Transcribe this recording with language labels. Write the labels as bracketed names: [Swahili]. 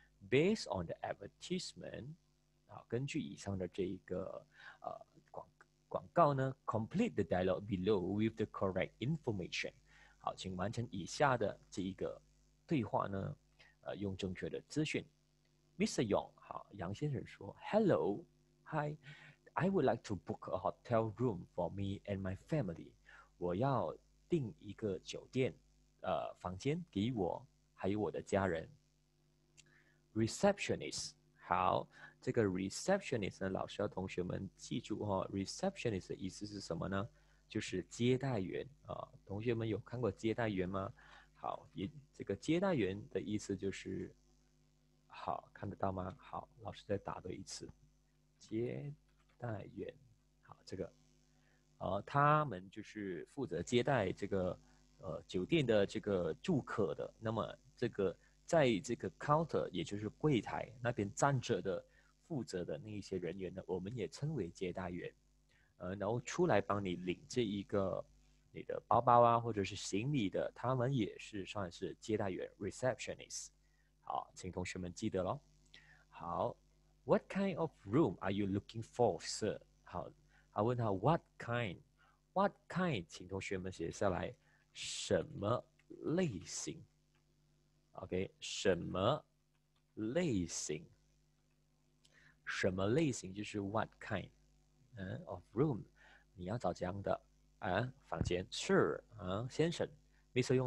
[English] Based on the advertisement，啊， [Chinese] 根据以上的这一个广告呢， [English] complete the dialogue below with the correct information。 [Chinese] 好，请完成以下的这一个对话呢，用正确的资讯。 [English] Mr. Yong，好， [Chinese] 杨先生说， [English] Hello，Hi，I would like to book a hotel room for me and my family。 [Chinese] 我要订一个酒店。房间给我，还有我的家人。 Receptionist，好，这个 receptionist 呢，老师要同学们记住哦。 Receptionist 的意思是什么呢？就是接待员啊。同学们有看过接待员吗？好，也这个接待员的意思就是，好，看得到吗？好，老师再打对一次，接待员。好，这个，他们就是负责接待这个。酒店的这个住客的，那么这个在这个 counter，也就是柜台那边站着的、负责的那一些人员呢，我们也称为接待员。然后出来帮你领这一个你的包包啊，或者是行李的，他们也是算是接待员 （receptionist）。好，请同学们记得喽。好， [English] What kind of room are you looking for, sir？ [Chinese] 好，他问他 [English] What kind？What kind？ [Chinese] 请同学们写下来。什么类型？OK，什么类型？什么类型就是 [English] what kind？ Of room， [Chinese] 你要找这样的房间？Sir，先生，Mr.